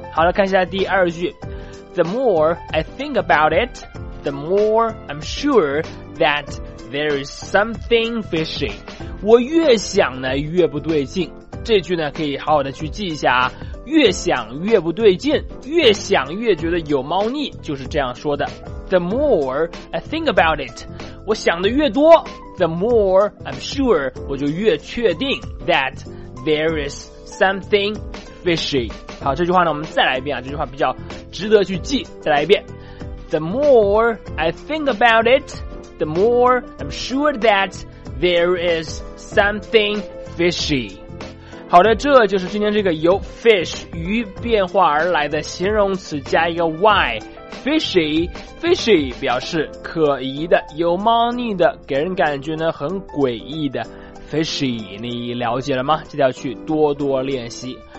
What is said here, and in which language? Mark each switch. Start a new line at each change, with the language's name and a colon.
Chinese: 好了，看一下第二句，
English: The more I think about it, the more I'm sure that there is something fishy。
Chinese: 我越想呢越不对劲。这句呢可以好好的去记一下啊，越想越不对劲，越想越觉得有猫腻，就是这样说的。
English: The more I think about it，
Chinese: 我想的越多
English: ，the more I'm sure，
Chinese: 我就越确定
English: that there is something fishy。
Chinese: 好，这句话呢，我们再来一遍啊，这句话比较值得去记。再来一遍
English: ，the more I think about it， the more I'm sure that there is something fishy。
Chinese: 好的，这就是今天这个由 fish 鱼变化而来的形容词加一个 y。 Fishy 表示可疑的、有猫腻的、给人感觉呢很诡异的 Fishy， 你了解了吗？记得要去多多练习。